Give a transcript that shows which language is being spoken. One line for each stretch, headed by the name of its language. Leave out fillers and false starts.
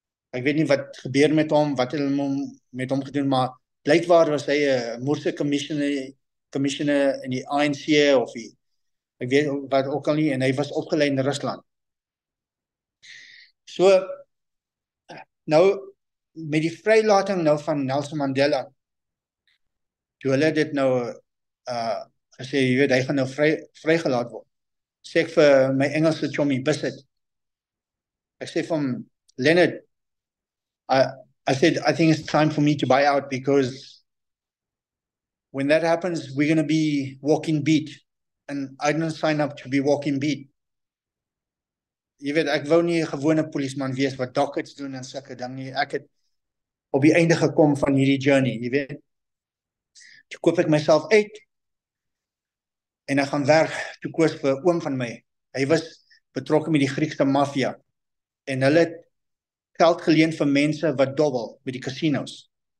Afrikaans: Ek weet nie wat gebeur met hom, wat het hom met hom gedoen, maar blykbaar was hy 'n moorse commissioner in die ANC of die, ek weet wat ook al nie, en hy was opgelei in Rusland. So, nou, met die vrylating nou van Nelson Mandela, toe hulle dit nou gesê, jy weet, hy gaan nou vrygelaat word. Sê ek vir my Engelse chommy Bissett, ek sê van Leonard,
English: I said, I think it's time for me to buy out because when that happens, we're going to be walking beat. And I didn't sign up to be walking beat.
Afrikaans: Jy weet, ek wou nie 'n gewone polisman wees wat dockets doen en sulke ding nie. Ek het op die einde gekom van hierdie journey, jy weet. Toe koop ek myself uit en ek gaan werk toe koos vir 'n oom van my. Hy was betrokke met die Griekse maffia en hulle het geld geleen vir mense wat dobbel met die casinos.